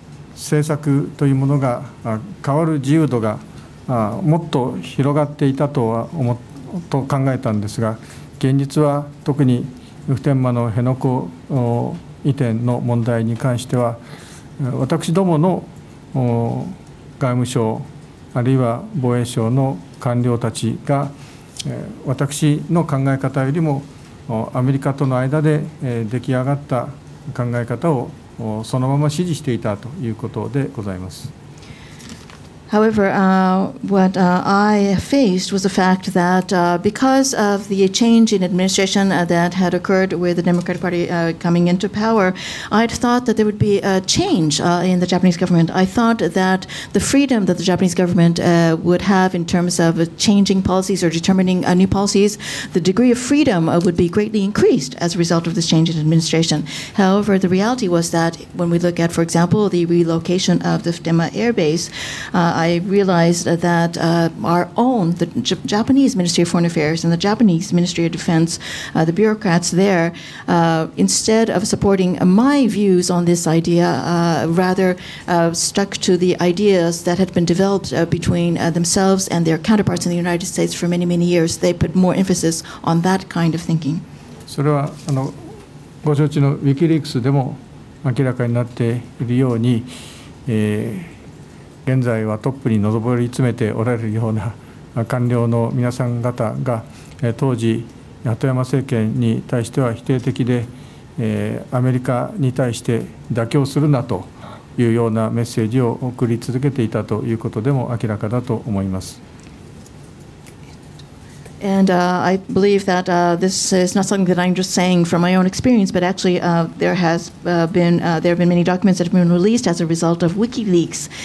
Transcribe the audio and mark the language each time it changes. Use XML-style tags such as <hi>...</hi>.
<ja>政策というものが変わる自由度がもっと広がっていたとは思ってと考えたんですが、現実は特に普天間の辺野古移転の問題に関しては、私どもの外務省あるいは防衛省の官僚たちが私の考え方よりもアメリカとの間で出来上がった考え方をそのまま支持していたということでございます。</ja> <en>However, what I faced was the fact that because of the change in administration that had occurred with the Democratic Party coming into power, I'd thought that there would be a change in the Japanese government. I thought that the freedom that the Japanese government would have in terms of changing policies or determining new policies, the degree of freedom would be greatly increased as a result of this change in administration. However, the reality was that when we look at, for example, the relocation of the Futenma Air Base, I realized that our own, the Japanese Ministry of Foreign Affairs and the Japanese Ministry of Defense, the bureaucrats there, instead of supporting my views on this idea, rather stuck to the ideas that had been developed between themselves and their counterparts in the United States for many, many years. They put more emphasis on that kind of thinking.</en> <ja>それはご承知のウィキリークスでも明らかになっているように、現在はトップに上り詰めておられるような官僚の皆さん方が当時鳩山政権に対しては否定的でアメリカに対して妥協するなというようなメッセージを送り続けていたということでも明らかだと思います。</ja> <en>And I believe that this is not something that I'm just saying from my own experience, but actually there have been many documents that have been released as a result of WikiLeaks.</en>